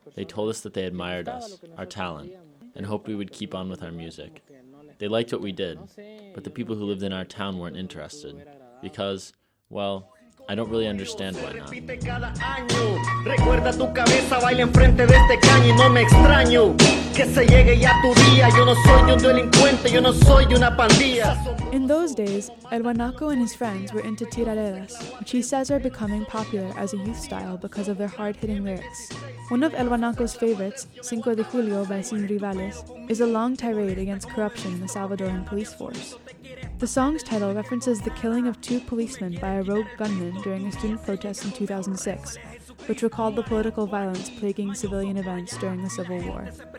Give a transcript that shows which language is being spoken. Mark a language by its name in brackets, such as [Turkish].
[English] They told us that they admired us, our talent, and hoped we would keep on with our music. They liked what we did, but the people who lived in our town weren't interested because, well, I don't really understand why not. [Spanish] Recuerda tu cabeza, baila enfrente de este caño y no me extraño que se llegue ya tu día. Yo no soy un delincuente, yo no soy una pandilla. [English] In those days, El Huanaco and his friends were into tiraderas, which he says are becoming popular as a youth style because of their hard-hitting lyrics. One of El Huanaco's favorites, Cinco de Julio by Sin Rivales, is a long tirade against corruption in the Salvadoran police force. The song's title references the killing of two policemen by a rogue gunman during a student protest in 2006, which recalled the political violence plaguing civilian events during the Civil War.